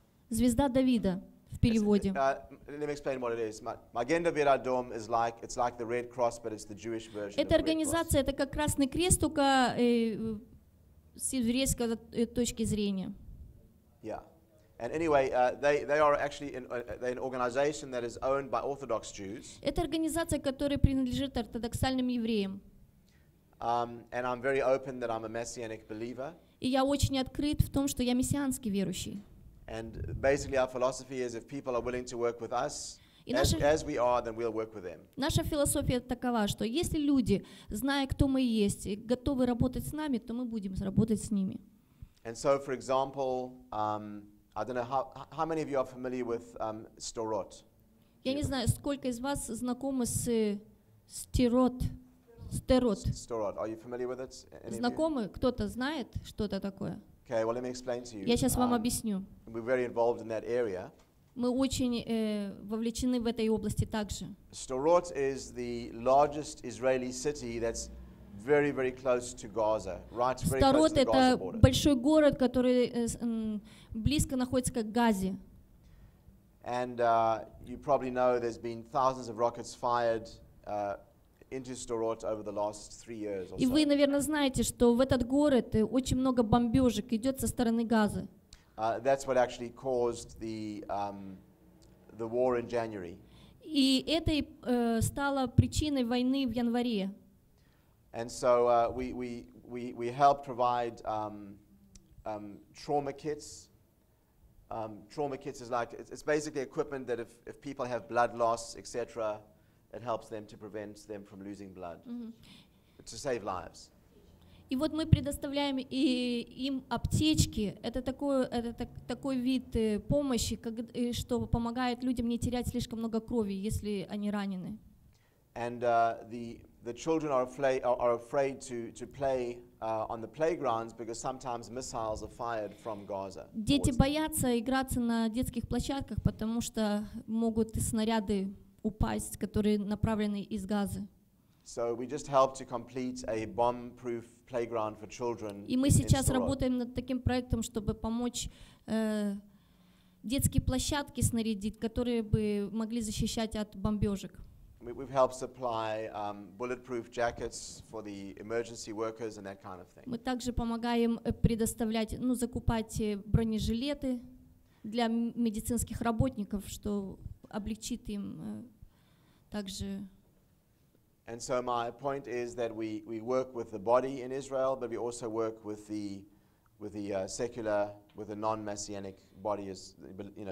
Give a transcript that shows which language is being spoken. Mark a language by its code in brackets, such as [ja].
[ru] Звезда Давида в переводе. [en] Let me explain what it is. Magen David Adom is like it's like the Red Cross, but it's the Jewish version. [ru] Эта организация это как Красный Крест, только с еврейской точки зрения. [en] Yeah. And anyway, they are actually an organization that is owned by Orthodox Jews. [ru] Это организация, которая принадлежит ортодоксальным евреям. [en] And I'm very open that I'm a messianic believer. [ru] И я очень открыт в том, что я мессианский верующий. [en] And basically our philosophy is if people are willing to work with us, as we are, then we'll work with them. [ru] Наша философия такова, что если люди, зная, кто мы есть, готовы работать с нами, то мы будем работать с ними. [en] And so, for example, I don't know how many of you are familiar with Storot. [ru] Я не знаю, сколько из вас знакомы с Storot. [en] Storot. Storot. Are you familiar with it? [ru] Знакомы? Кто-то знает, что это такое? [en] Okay, well, let me explain to you. [ru] Я сейчас вам объясню. [en] We're very involved in that area. [ru] Мы очень вовлечены в этой области также. [en] Storot is the largest Israeli city that's very, very close to Gaza, right? Very close to the Gaza border. [ru] Это большой город, который близко находится к Газе. [en] And you probably know there's been thousands of rockets fired into Storot over the last 3 years. [ru] И вы, наверное, знаете, что в этот город очень много бомбежек идет со стороны Газы. [en] That's what actually caused the war in January. [ru] И это стало причиной войны в январе. [en] And so we help provide trauma kits. Trauma kits is like it's basically equipment that if people have blood loss, etc., it helps them to prevent them from losing blood, to save lives. [ru] И вот мы предоставляем им аптечки. Это такой вид помощи, что помогает людям не терять слишком много крови, если они ранены. [en] And the children are afraid to play on the playgrounds because sometimes missiles are fired from Gaza. [ru] Дети боятся играться на детских площадках, потому что могут снаряды упасть, которые направлены из Газы. [en] So we just helped to complete a bomb-proof playground for children. [ru] И мы сейчас работаем над таким проектом, чтобы помочь детские площадки снарядить, которые бы могли защищать от бомбежек. [en] We've helped supply bulletproof jackets for the emergency workers and that kind of thing. [ru] Мы также помогаем предоставлять, ну, закупать бронежилеты для медицинских работников, что облегчит им также. [en] And so my point is that we work with the body in Israel, but we also work with the non-messianic body, as you know.